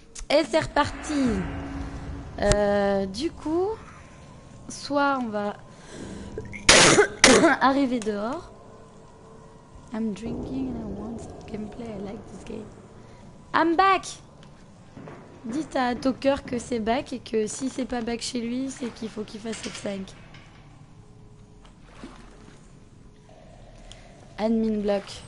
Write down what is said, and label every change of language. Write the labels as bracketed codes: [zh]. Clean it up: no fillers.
[fr] Et c'est reparti. Du coup, soit on va arriver dehors. [en] I'm drinking and I want some gameplay. I like this game. I'm back! [fr] Dites à Toker que c'est back et que si c'est pas back chez lui, c'est qu'il faut qu'il fasse F5. [en] Admin block.